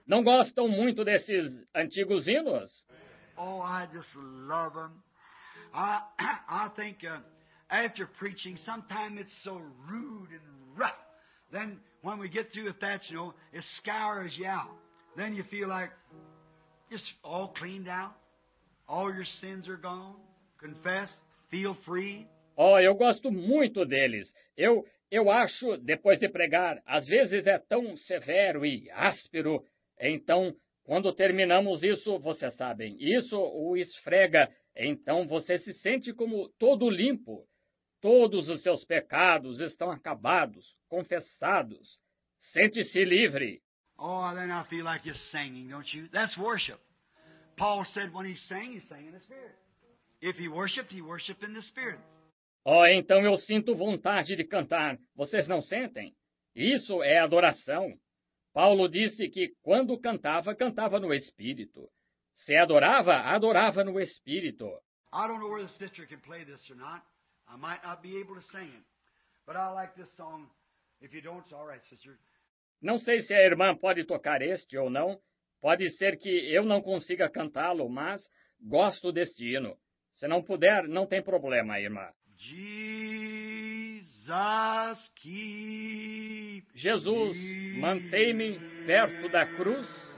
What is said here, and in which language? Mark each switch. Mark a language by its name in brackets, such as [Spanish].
[Portuguese] Não gostam muito desses antigos hinos? [English] Oh, I just love them. I think after preaching, sometimes it's so rude and rough. Then when we get through with that, you know, it scours you out. Then you feel like just all cleaned out. All your sins are gone. Confess, feel free. [Portuguese] Oh, eu gosto muito deles. Eu acho, depois de pregar, às vezes é tão severo e áspero. Então, quando terminamos isso, vocês sabem, isso o esfrega. Então, você se sente como todo limpo. Todos os seus pecados estão acabados, confessados. Sente-se livre. [English] Oh, then I feel like you're singing, don't you? That's worship. Paul said when he sang in the Spirit. If he worshiped in the Spirit. [Portuguese] Oh, então eu sinto vontade de cantar. Vocês não sentem? Isso é adoração. Paulo disse que quando cantava, cantava no Espírito. Se adorava, adorava no Espírito. [English] I don't know whether the sister can play this or not. I might not be able to sing it. But I like this song. If you don't, it's all right, sister. [Portuguese] Não sei se a irmã pode tocar este ou não. Pode ser que eu não consiga cantá-lo, mas gosto deste hino. Se não puder, não tem problema, irmã. [English] Jesus, keep [Portuguese] Jesus, mantém-me perto da cruz.